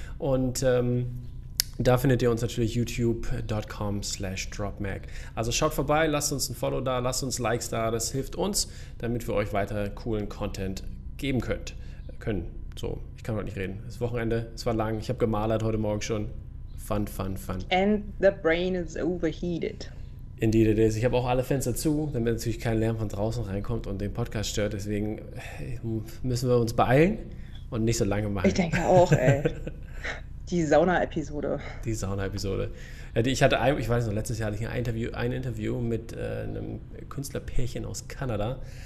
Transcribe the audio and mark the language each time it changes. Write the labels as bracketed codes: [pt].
[de] Und da findet ihr uns natürlich youtube.com/dropmag. Also schaut vorbei, lasst uns ein Follow da, lasst uns Likes da, das hilft uns, damit wir euch weiter coolen Content geben könnt. Können. So, ich kann heute nicht reden. Es ist Wochenende, es war lang. Ich habe gemalert heute Morgen schon. [en] Fun, fun, fun. And the brain is overheated. Indeed it is. [de] Ich habe auch alle Fenster zu, damit natürlich kein Lärm von draußen reinkommt und den Podcast stört. Deswegen müssen wir uns beeilen und nicht so lange Ich machen. denke auch, ey. Die Sauna-Episode. Die Sauna-Episode. Ich weiß noch, letztes Jahr hatte ich ein Interview mit einem Künstlerpärchen aus Kanada.